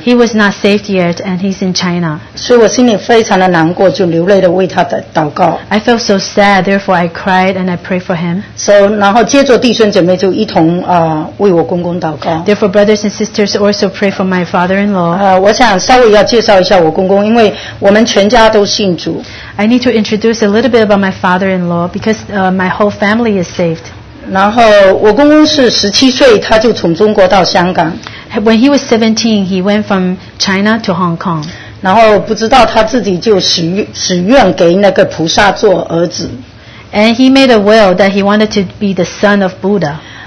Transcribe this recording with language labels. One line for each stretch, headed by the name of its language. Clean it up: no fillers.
English: He was not saved yet, and he's in China.
Chinese: 所以我心里非常的难过, 就流泪地为他祷告。
English: I felt so sad, therefore I cried and I prayed for him.
Chinese: So, 然后接着弟兄姐妹就一同, 为我公公祷告。
English: Therefore, brothers and sisters also pray for my father-in-law.
Chinese: 我想稍微要介绍一下我公公, 因为我们全家都信主。
English: I need to introduce a little bit about my father-in-law, because my whole family is saved.
Chinese: 然后我公公是17岁，他就从中国到香港。
English: When he was 17, he went from China to Hong Kong.
Chinese: 然后不知道他自己就许愿给那个菩萨做儿子。
English: And he made a will that he wanted to be the son of Buddha.